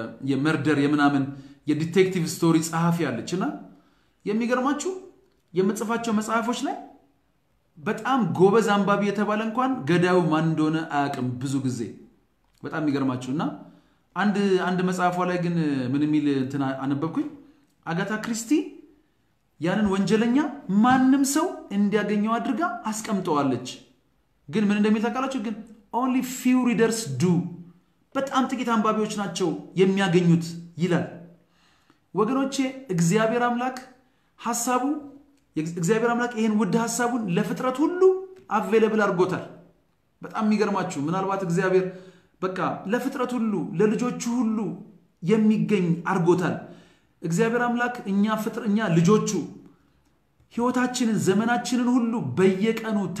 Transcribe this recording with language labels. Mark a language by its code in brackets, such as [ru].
[am] የመርደር የምናምን የዲቴክቲቭ ስቶሪ ጻፊ አለችና የሚገርማችሁ የምጽፋቸው መጽሐፎች ላይ በጣም ጎበዝ አንባቢ የተባለ እንኳን ገዳዩ ማን እንደሆነ አያውቅም ብዙ ጊዜ። በጣም ይገርማችሁና አንድ መጽሐፍ ላይ ግን ምን የሚል እንትን አነበብኩኝ። አጋታ ክሪስቲ ያንን ወንጀለኛ ማንንም ሰው እንዲያገኘው አድርጋ አስቀምጣዋለች። ግን ምን እንደሚል ታውቃላችሁ? [en] ግን only few readers do. [am] በጣም ጥቂት አንባቢዎች ናቸው የሚያገኙት ይላል። ወገኖቼ እግዚአብሔር አምላክ ሐሳቡ እግዚአብሔር አምላክ ይሄን ውድ ሐሳቡን ለፍጥረት ሁሉ አቬለብል አድርጎታል። በጣም ይገርማችሁ። ምናልባት እግዚአብሔር በቃ ለፍጥረት ሁሉ ለልጆቹ ሁሉ የሚገኝ አድርጎታል። እግዚአብሔር አምላክ እኛ ልጆቹ ህይወታችንን ዘመናችንን ሁሉ በየቀኑ